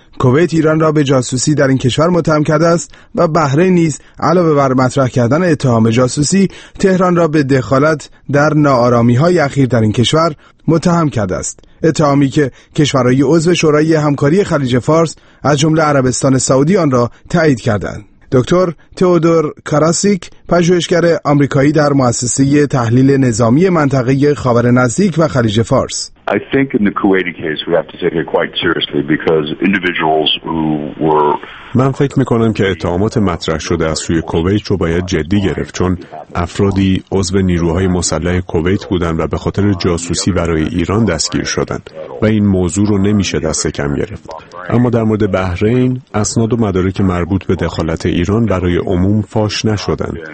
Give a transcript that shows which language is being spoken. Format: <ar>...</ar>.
<fa>کویت ایران را به جاسوسی در این کشور متهم کرده است و بحرین نیز علاوه بر مطرح کردن اتهام جاسوسی، تهران را به دخالت در ناآرامی‌های اخیر در این کشور متهم کرده است. اتهامی که کشورهای عضو شورای همکاری خلیج فارس از جمله عربستان سعودی آن را تایید کردند. دکتر تئودور کاراسیک، پژوهشگر آمریکایی در مؤسسه تحلیل نظامی منطقه خاور نزدیک و خلیج فارس:</fa> <en>I think in the Kuwaiti case we have to take it quite seriously because individuals who were</en> <fa>من فکر میکنم که اتهامات مطرح شده از سوی کویت رو باید جدی گرفت، چون افرادی عضو نیروهای مسلح کویت بودند و به خاطر جاسوسی برای ایران دستگیر شدند و این موضوع رو نمیشه دست کم گرفت. اما در مورد بحرین، اسناد و مدارک مربوط به دخالت ایران برای عموم فاش نشدند.</fa>